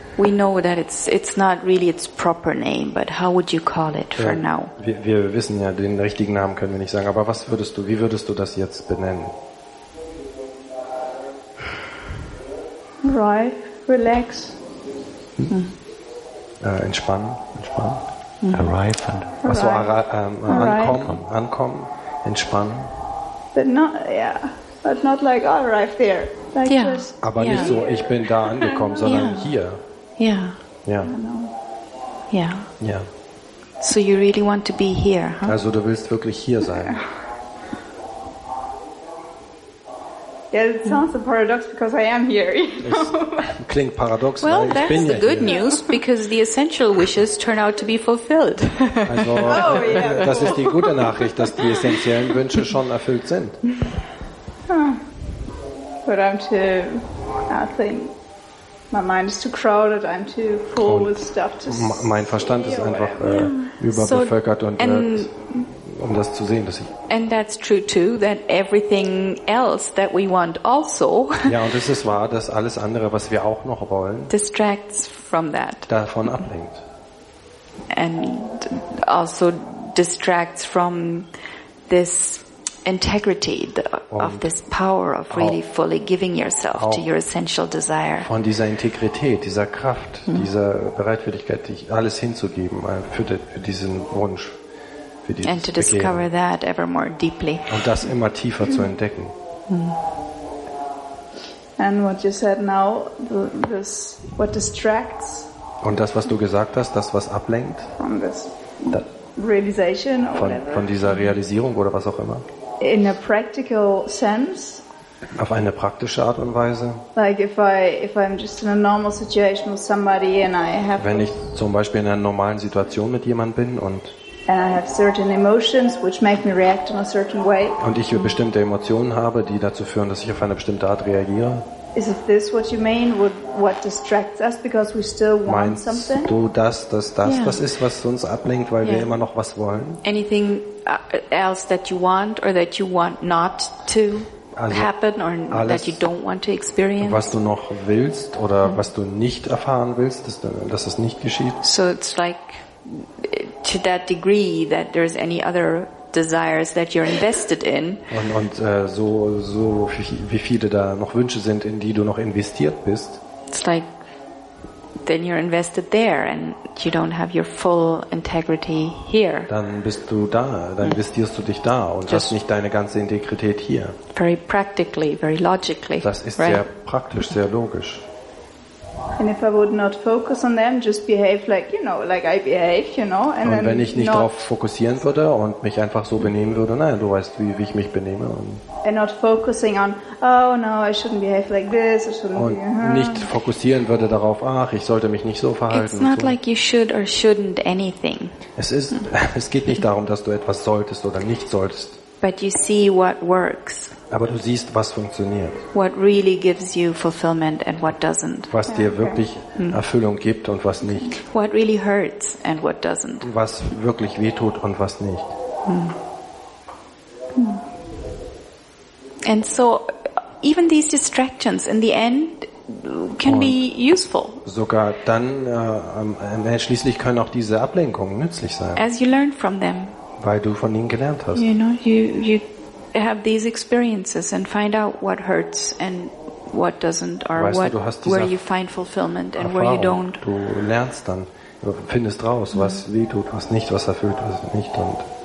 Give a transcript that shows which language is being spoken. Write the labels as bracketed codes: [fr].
[en] We know that it's not really its proper name, but how would you call it for now? [de] Wir wissen ja, den richtigen Namen können wir nicht sagen, aber wie würdest du das jetzt benennen? [en] Right, relax. [de] Entspannen. [en] Arrive and [de] also ankommen, entspannen. [en] But not like I arrived there. Like yeah. Just, [de] aber [en] yeah. [de] Nicht so, ich bin da angekommen, sondern [en] yeah. [de] Hier. [en] Yeah. Yeah. Yeah. Yeah. So you really want to be here, huh? [de] Also du willst wirklich hier sein. [en] Yeah, it sounds a paradox because I am here. You know? [de] Klingt paradox, [en] well, [de] weil ich bin ja hier. Well, [en] that's the good news because the essential wishes turn out to be fulfilled. [de] Also, [en] oh, yeah. [de] Das ist die gute Nachricht, dass die essentiellen Wünsche schon erfüllt sind. [en] But I'm too, I think. My mind is too crowded. I'm too full with stuff to see. [de] Mein Verstand ist einfach überbevölkert so, und um das zu sehen, dass ich. [en] And that's true too. That everything else that we want also. [de] Ja, und es ist wahr, dass alles andere, was wir auch noch wollen, [en] distracts from that. [de] Davon ablenkt. [en] And also distracts from this. Integrity of this power of really fully giving yourself to your essential desire. [de] Von dieser Integrität, dieser Kraft, dieser Bereitwilligkeit, dich alles hinzugeben für diesen Wunsch, für dieses [en] Begehren. And to discover that ever more deeply. [de] Und das immer tiefer zu entdecken. [en] And what you said now, this what distracts. [de] Und das, was du gesagt hast, das, was ablenkt. [en] From this realization or whatever. [de] Von dieser Realisierung oder was auch immer. [en] In a practical sense. [de] Auf eine praktische Art und Weise. [en] Like if I'm just in a normal situation with somebody and I have. [de] Wenn ich zum Beispiel in einer normalen Situation mit jemandem bin und. [en] And I have certain emotions which make me react in a certain way. [de] Und ich bestimmte Emotionen habe, die dazu führen, dass ich auf eine bestimmte Art reagiere. [en] Is it this what you mean? What distracts us because we still want [de] meinst [en] something? [de] Meinst du das yeah. Das ist, was uns ablenkt, weil yeah. Wir immer noch was wollen? [en] Anything else that you want or that you want not to [de] also [en] happen or [de] alles, [en] that you don't want to experience? [de] Was du noch willst oder was du nicht erfahren willst, dass das nicht geschieht? [en] So it's like to that degree that there's any other desires that you're invested in. [de] Und so wie viele da noch Wünsche sind, in die du noch investiert bist. [en] It's like then you're invested there and you don't have your full integrity here. [de] Dann bist du da, dann investierst du dich da und just hast nicht deine ganze Integrität hier. [en] Very practically, very logically. [de] Das ist [en] right? [de] Sehr praktisch, sehr logisch. [en] And if I would not focus on them, just behave like, you know, like I behave, you know, and [de] und wenn ich nicht darauf fokussieren würde und mich einfach so benehmen würde, naja, du weißt, wie ich mich benehme. Und [en] not focusing on, oh no, I shouldn't behave like this, I shouldn't [de] und [en] be, uh-huh. [de] Nicht fokussieren würde darauf, ach, ich sollte mich nicht so verhalten. [en] It's not so. Like you should or shouldn't anything. [de] Es geht nicht darum, dass du etwas solltest oder nicht solltest. [en] But you see what works. [de] Aber du siehst, was funktioniert. [en] What really gives you fulfillment and what doesn't. [de] Was dir wirklich Erfüllung gibt und was nicht. [en] What really hurts and what doesn't. [de] Was wirklich wehtut und was nicht. [en] And so, even these distractions, in the end, can be useful. [de] Sogar dann schließlich können auch diese Ablenkungen nützlich sein. [en] As you learn from them. [de] Weil du von ihnen gelernt hast. [en] You know, you have these experiences and find out what hurts and what doesn't, or [de] weißt [en] what [de] du hast diese [en] where you find fulfillment [de] Erfahrung. [en] And where you don't. [de] Du lernst dann, findest raus, was weh tut, was nicht, was erfüllt, was nicht, und